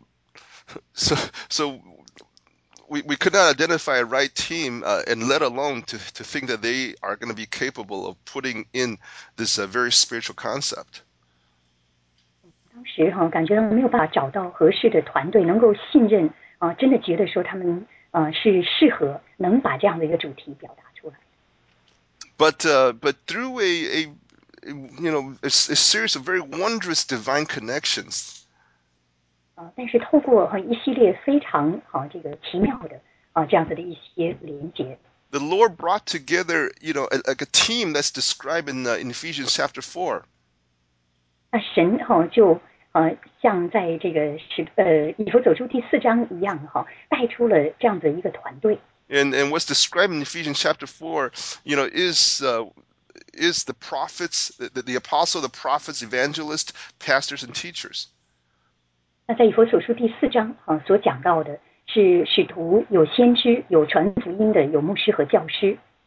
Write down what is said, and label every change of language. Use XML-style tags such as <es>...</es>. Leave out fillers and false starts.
<en>And so we could not identify a right team and let alone to think that they are going to be capable of putting in this very spiritual concept.</en> <zh>当时感觉没有办法找到合适的团队能够信任真的觉得说他们是适合能把这样的一个主题表达出来。</zh> <en>But through a series of very wondrous divine connections.</en> <zh>但是透过一系列非常这个奇妙的这样子的一些连接。</zh> <en>The Lord brought together, you know, like a team that's described in Ephesians chapter 4.</en> <zh>那神就像在这个以弗所书第四章一样带出了这样子一个团队。</zh> <en>And what's described in Ephesians chapter 4, you know, is the prophets, the apostles, the prophets, evangelists, pastors, and teachers.</en> <zh>那在以弗所书第四章所讲到的是使徒，有先知，有传福音的，有牧师和教师。</zh>